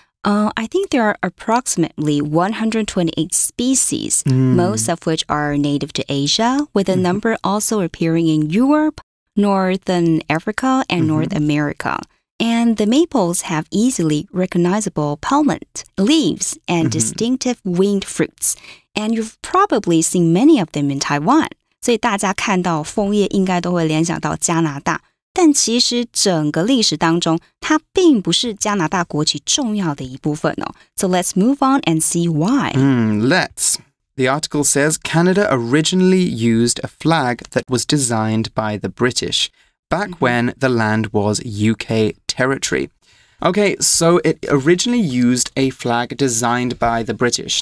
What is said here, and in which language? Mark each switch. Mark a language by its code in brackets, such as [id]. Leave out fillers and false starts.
[en] I think there are approximately 128 species, most of which are native to Asia, with a number also appearing in Europe, Northern Africa, and North America. And the maples have easily recognizable palmate leaves and distinctive winged fruits. And you've probably seen many of them in Taiwan. [zh] 所以大家看到枫叶应该都会联想到加拿大。但其实整个历史当中它并不是加拿大国旗重要的一部分哦。 [en] So let's move on and see why. Let's. The article says Canada originally used a flag that was designed by the British back when the land was UK territory. Okay, so it originally used a flag designed by the British.